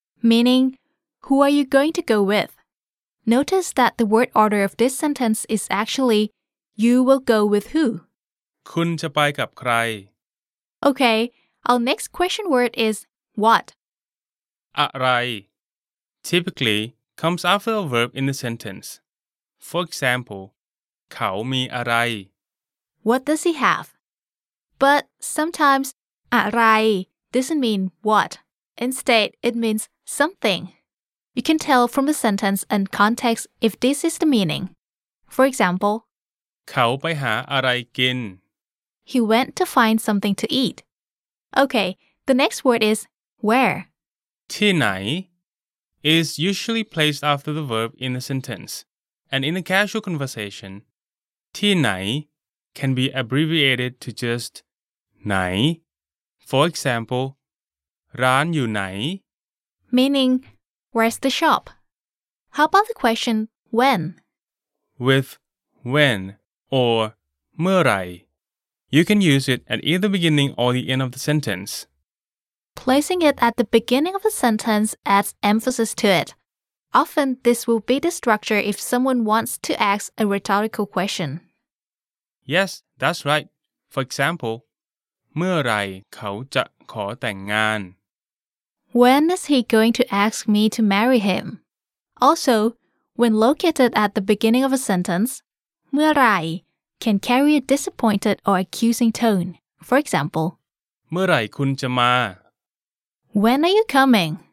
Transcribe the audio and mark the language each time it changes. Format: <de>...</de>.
<en>Meaning, who are you going to go with? Notice that the word order of this sentence is actually you will go with who.</en> <th>คุณจะไปกับใคร?</th> <en>Okay, our next question word is what?</en> <th>อะไร?</th> <en>Typically, comes after a verb in the sentence. For example,</en> <th>เขามีอะไร?</th> <en>What does he have? But sometimes, อะไร doesn't mean what. Instead, it means something. You can tell from the sentence and context if this is the meaning. For example,</en> <th>เขาไปหาอะไรกิน?</th> <en>He went to find something to eat. Okay, the next word is where. ที่ไหน is usually placed after the verb in the sentence. And in a casual conversation, ที่ไหน can be abbreviated to just ไหน. For example,</en> <th>ร้านอยู่ไหน?</th> <en>Meaning, where's the shop? How about the question, when? With when or เมื่อไร. You can use it at either beginning or the end of the sentence. Placing it at the beginning of the sentence adds emphasis to it. Often, this will be the structure if someone wants to ask a rhetorical question. Yes, that's right. For example,</en> <th>เมื่อไรเขาจะขอแต่งงาน?</th> <en>When is he going to ask me to marry him? Also, when located at the beginning of a sentence, เมื่อไหร่ can carry a disappointed or accusing tone. For example,</en> <th>เมื่อไหร่คุณจะมา</th> <en>When are you coming?</en>